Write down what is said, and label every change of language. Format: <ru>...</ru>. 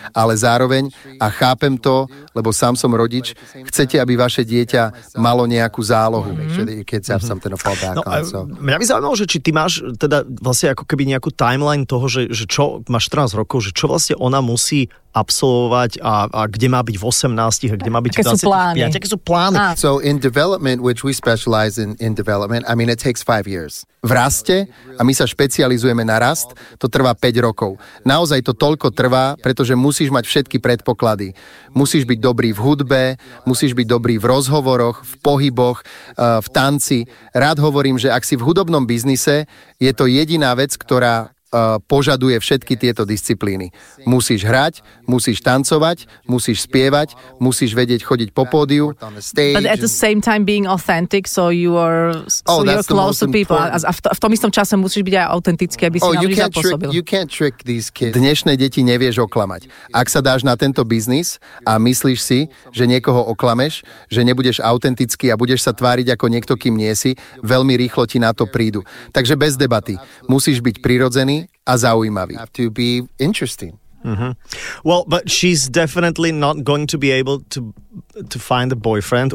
<sk>Ale zároveň, a chápem to, lebo sám som rodič, chcete, aby vaše dieťa malo nejakú zálohu. Mňa by zaujímalo, že či ty máš teda vlastne ako keby nejakú timeline toho, že čo máš 14 rokov, že čo vlastne ona musí absolvovať a kde má byť v 18, a kde má byť v 25. Aké sú plány?</sk> <en>So in development, which we specialize in development, I mean, it takes 5 years.</en> <sk>V raste, a my sa špecializujeme na rast, to trvá 5 rokov. Naozaj to toľko trvá, pretože musíš mať všetky predpoklady. Musíš byť dobrý v hudbe, musíš byť dobrý v rozhovoroch, v pohyboch, v tanci. Rád hovorím, že ak si v hudobnom biznise, je to jediná vec, ktorá požaduje všetky tieto disciplíny. Musíš hrať, musíš tancovať, musíš spievať, musíš vedieť chodiť po pódiu.</sk> <en>But at the same time being authentic, so you are close to people.</en> <sk>A v tom istom čase musíš byť aj autentický, aby si na ľudí zapôsobil.</sk> <en>You can't trick these kids.</en> <sk>Dnešné deti nevieš oklamať. Ak sa dáš na tento biznis a myslíš si, že niekoho oklameš, že nebudeš autentický a budeš sa tváriť ako niekto, kým nie si, veľmi rýchlo ti na to prídu. Takže bez debaty. Musíš byť prirodzený a zaujímavý.</sk> <en>Have to be interesting. Mm-hmm. Well, but she's definitely not going to be able to find a boyfriend.</en>